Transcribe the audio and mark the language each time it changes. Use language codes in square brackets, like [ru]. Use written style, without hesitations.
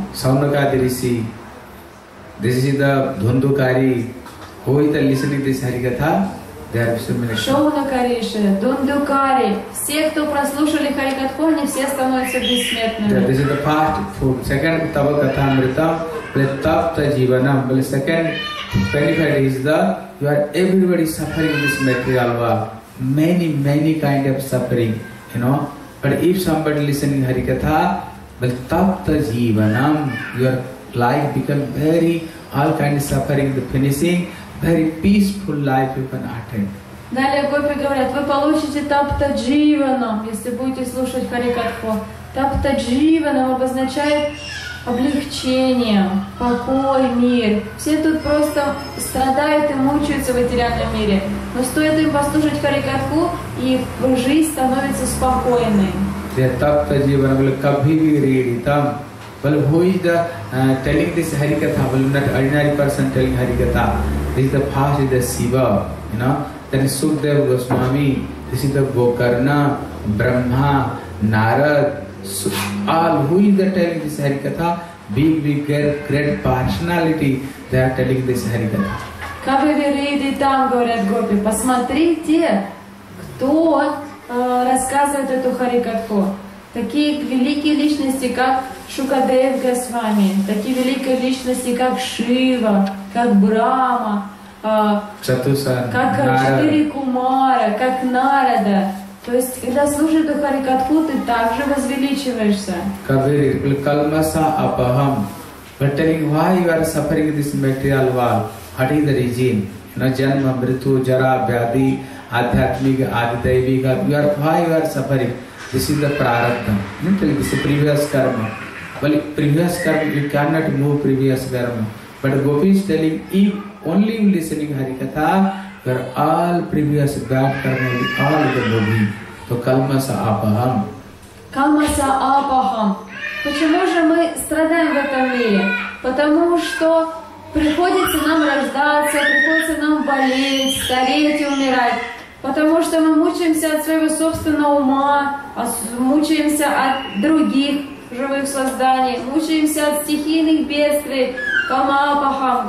[en] Саунакади риси. This is the Дундукари. Who is the listening this харикатха? [ru] Все, кто прослушали харикатху, они все становятся бессмертными. [en] Yeah, this is the first food. Second, [sa] tava katha amrita, pratapta jivanam. [en] But second, benefit is the, you are everybody suffering this material world. Many, many kind of suffering, you know. But if somebody listening harikatha, [sa] pratapta jivanam, [en] your life become very, all kind of suffering, the finishing, very peaceful life you can attain. [ru] Далее гопи говорят, вы получите тапта дживанам, если будете слушать харикатху. Тапта дживанам обозначает облегчение, покой, мир. Все тут просто страдают и мучаются в материальном мире. Но стоит им послушать харикатху, и жизнь становится спокойной. [sa] Тапта дживанам, кабхи виридитам. [en] Well, who is the telling this harikatha? Well, not ordinary person telling harikatha. This is the first is the Shiva, you know. Then Sukhdev Goswami, this is the Gokarna, Brahma, Narad, all who is the telling this harikatha? Big great personality, they are telling this harikatha. [ru] Кабхи-риди там, говорят гопи, посмотрите, кто рассказывает эту харикатху. Такие великие личности, как Шукадев Госвами, такие великие личности, как Шива, как Брама, как Четыре Кумара, как Нарада. То есть, когда слушаешь эту харикатху, ты также возвеличиваешься. [sa] Кабири, калмаса апахам. [en] But telling why you are suffering this material world, what is the reason? No, [sa] janma, mritu, jara, vyadi, adhyatmika, adhidaivika, [en] why you are suffering? This is the prarabdha. This is the previous karma. Well, previous karma, you cannot move previous karma. But Gopi is telling, if only you listening Harikatha, your all previous bad karma will all be moving. [sa] So, kalmasa apaham. Kalmasa apaham. [ru] Почему же мы страдаем в этом мире? Потому что приходится нам рождаться, приходится нам болеть, стареть и умирать. Потому что мы мучаемся от своего собственного ума, мучаемся от других живых созданий, мучаемся от стихийных бедствий, камапахам.